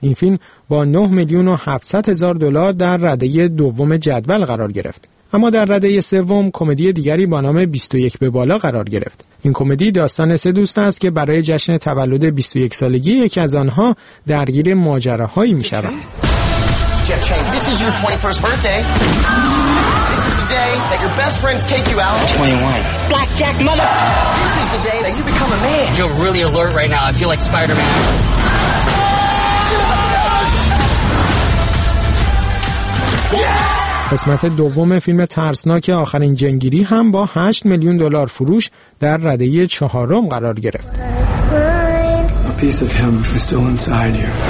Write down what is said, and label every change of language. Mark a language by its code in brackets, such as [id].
[fa] این فیلم با 9 میلیون و 700 هزار دلار در رده دوم جدول قرار گرفت. اما در رده سوم کمدی دیگری با نام 21 به بالا قرار گرفت. این کمدی داستان سه دوست است که برای جشن تولد 21 سالگی یکی از آنها درگیر ماجراهایی می‌شوند. [en] This is your 21st birthday. This is the day that your best friends take you out. 21. Blackjack mother. This is the day that you become a man. I feel really alert right now. I feel like Spider-Man. [fa] قسمت دوم فیلم ترسناک آخرین جنگیری هم با 8 میلیون دلار فروش در رده چهارم قرار گرفت. [en] A piece of him is still inside you.